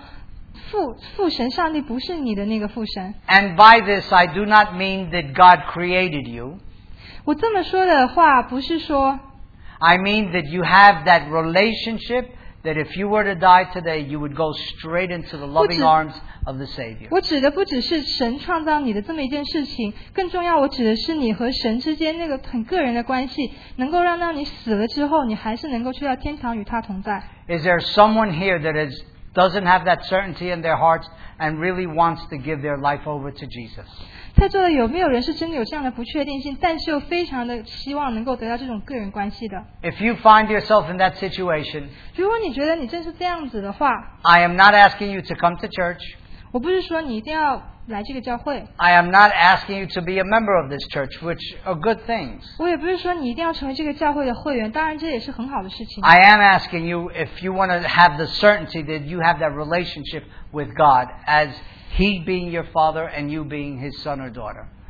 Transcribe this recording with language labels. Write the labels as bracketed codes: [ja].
[zh] 会不会心里面会有种心里面觉得说父神上帝不是你的那个父神? [en] And by this I do not mean that God created you. [zh] 我这么说的话不是说, [en] I mean that you have that relationship that if you were to die today, you would go straight into the loving arms of the Savior. [zh] 我指的不只是神创造你的这么一件事情, 更重要我指的是你和神之间那个很个人的关系, 能够让到你死了之后, 你还是能够去到天堂与他同在。 [en] Is there someone here that has doesn't have that certainty in their hearts and really wants to give their life over to Jesus. [zh] 在座的有没有人是真的有这样的不确定性，但是又非常的希望能够得到这种个人关系的？ [en] If you find yourself in that situation, [zh] 如果你觉得你正是这样子的话, [en] I am not asking you to come to church. [zh] 我不是说你一定要来这个教会。 [en] I am not asking you to be a member of this church, which are good things. [zh] 我也不是说你一定要成为这个教会的会员，当然这也是很好的事情。 [en] I am asking you if you want to have the certainty that you have that relationship with God as He being your father and you being his son or daughter.